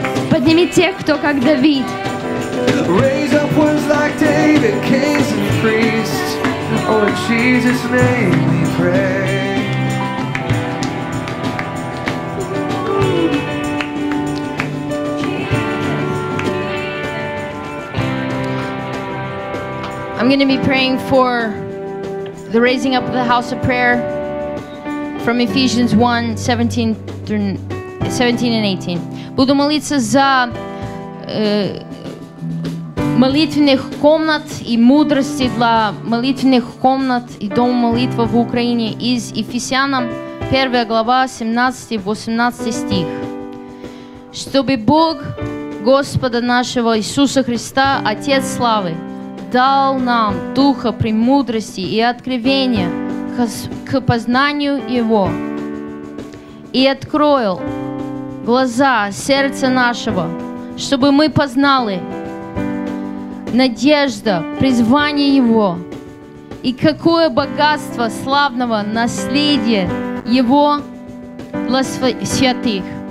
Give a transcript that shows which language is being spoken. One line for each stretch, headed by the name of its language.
Russian: Подними тех, кто как Давид.
English: Raise up ones like David, kings and priests. Oh, in Jesus' name we pray. I'm going to be praying for the raising up of the house of prayer from Ephesians 1:17 through 17 and 18.
Russian: Буду молиться за молитвенных комнат и мудрости для молитвенных комнат и дом молитвы в Украине из Ефесянам 1 глава 17-18 стих. Чтобы Бог Господа нашего Иисуса Христа, Отец Славы, дал нам духа премудрости и откровения к познанию Его и откроил глаза сердца нашего, чтобы мы познали надежда, призвание Его и какое богатство славного наследия Его для святых.